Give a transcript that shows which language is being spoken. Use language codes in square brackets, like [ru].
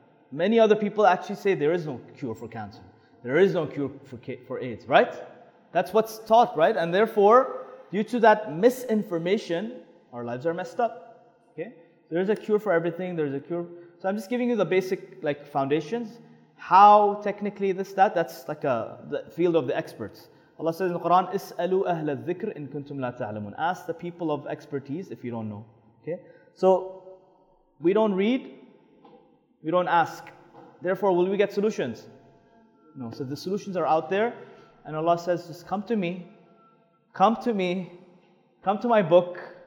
[en] Many other people actually say there is no cure for cancer. There is no cure for AIDS, right? That's what's taught, right? And therefore, due to that misinformation, our lives are messed up. Okay? There is a cure for everything. There is a cure. So I'm just giving you the basic like foundations. How technically this, that? That's like the field of the experts. Allah says in the Quran, [ar] اسألوا أهل الذكر إن كنتم لا تعلمون. [en] Ask the people of expertise if you don't know. Okay? So, we don't read, we don't ask. Therefore, will we get solutions? No. So the solutions are out there. And Allah says, just come to me. Come to me. Come to my book.